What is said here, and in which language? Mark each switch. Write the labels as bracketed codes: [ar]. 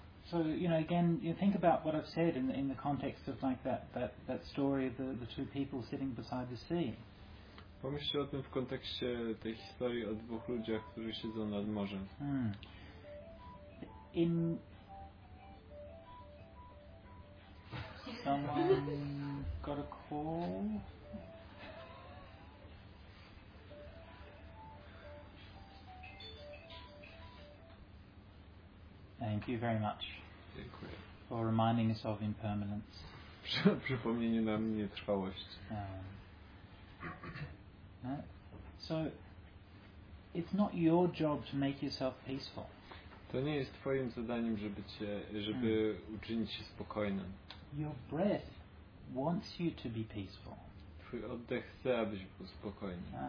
[en] So you know, again, you think about what I've said in the context of like that story of the two people sitting beside the sea. [pl] Pomyślcie o tym w kontekście tej historii o dwóch ludziach, którzy siedzą nad morzem. [en] In someone got a call. Thank you very much. For reminding us of impermanence. [pl] Przypomnienie nam nietrwałość. [en] So it's not your job to make yourself peaceful. [pl] To nie jest twoim zadaniem, żeby uczynić się spokojnym. [en] Your breath wants you to be peaceful. [pl] Twój oddech chce, abyś był spokojny.